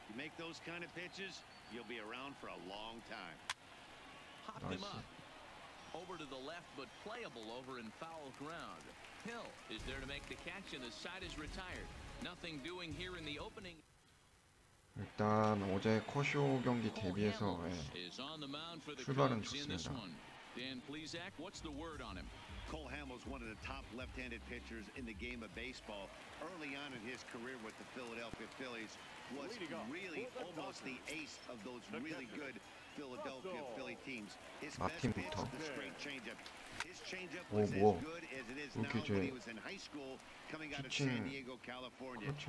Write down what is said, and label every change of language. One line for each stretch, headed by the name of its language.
English: You make those kind of pitches, you'll be around for a long time. Popped him up. Over to the left, but playable over in foul ground. Hill is there to make the catch, and the side is retired. Nothing doing here in the opening.
Korean: 일단 어제 코쇼 경기 대비해서 출발은 좋습니다.
English: Dan Plesac, what's the word on him? Cole Hamels, one of the top left-handed pitchers in the game of baseball, early on in his career with the Philadelphia Phillies, was really almost the ace of those really good Philadelphia Philly teams. His best pitch, the straight changeup. His changeup was as good as it is now when he was in high school, coming out of San Diego, California.